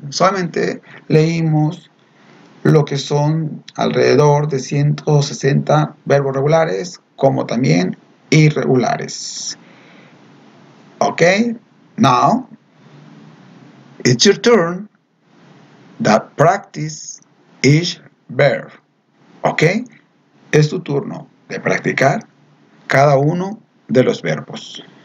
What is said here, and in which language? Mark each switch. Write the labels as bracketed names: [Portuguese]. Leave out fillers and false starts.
[Spanish] Solamente leímos lo que son alrededor de 160 verbos regulares, como también irregulares. [English] Okay? Now, it's your turn to practice each verb. Okay? [Spanish] Es tu turno de practicar cada uno de los verbos.